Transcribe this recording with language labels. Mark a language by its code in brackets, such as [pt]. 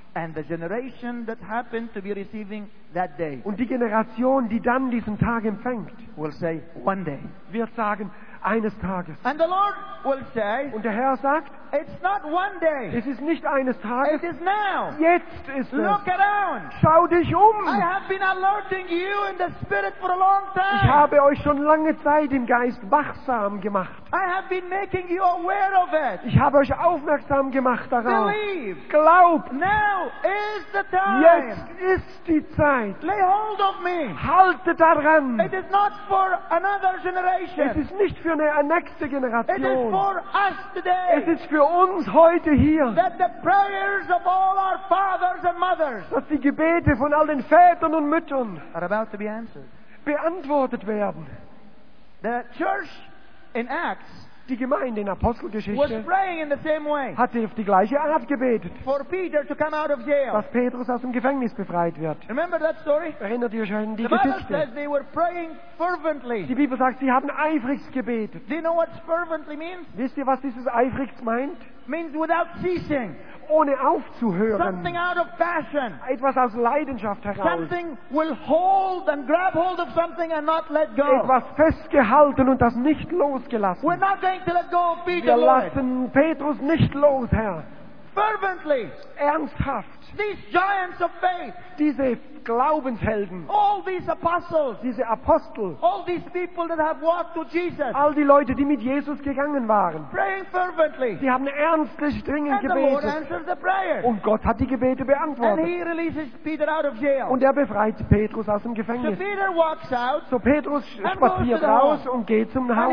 [en] and the generation that happened to be receiving that day, [de] und die Generation, die dann diesen Tag empfängt, [en] will say one day, [de] wird sagen eines Tages. [en] And the Lord will say, [de] und der Herr sagt, [en] it's not one day, [de] es ist nicht eines Tages, [en] it is now, [de] jetzt ist es. [en] Look around, [de] schau dich um. [en] I have been alerting you in the spirit for a long time. [de] Ich habe euch schon lange Zeit im Geist wachsam gemacht. [en] I have been making you aware of it. [de] Ich habe euch aufmerksam gemacht darauf. [en] Believe, [de] glaub. [en] Now is the time. [de] Jetzt ist die Zeit. [en] Lay hold of me. [de] Halte daran. [en] It is not for another generation. [de] Es ist nicht für eine nächste Generation. [en] It is for us today. [de] Es ist für uns heute hier. [en] That the prayers of all our fathers and mothers, [de] dass die Gebete von all den Vätern und Müttern, [en] are about to be answered, [de] beantwortet werden. [en] The church in Acts, [de] die Gemeinde in Apostelgeschichte, [en] was praying in the same way, [de] hatte auf die gleiche Art gebetet, [en] for Peter to come out of jail, [de] dass Petrus aus dem Gefängnis befreit wird. [en] Remember that story? [de] Erinnert ihr euch an die [en] the [de] Geschichte? [en] Says they were praying fervently. [de] Die Bibel sagt, sie haben eifrigst gebetet. [en] Do you know what fervently means? [de] Wisst ihr, was dieses eifrigst meint? [en] Means without ceasing. [de] Ohne aufzuhören. [en] Something out of passion. [de] Etwas aus Leidenschaft heraus. [en] Something will hold and grab hold of something and not let go. [de] Etwas festgehalten und das nicht losgelassen. [en] We're not going to let go of Peter, [de] wir lassen [en] Lord. [de] Petrus nicht los, Herr. [en] Fervently. [de] Ernsthaft. [en] These giants of faith. [de] Diese Glaubenshelden. [en] All these apostles. [de] Diese Apostel. [en] All these people that have walked with Jesus. [de] All die Leute, die mit Jesus gegangen waren. [en] Praying fervently. [de] Sie haben ernstlich dringend gebetet. [en] The Lord answers the prayer. [de] Und Gott hat die Gebete beantwortet. [en] And he releases Peter out of jail. [de] Und er befreit Petrus aus dem Gefängnis. [en] So Peter walks out. [de] So Petrus spaziert raus und geht zum Haus.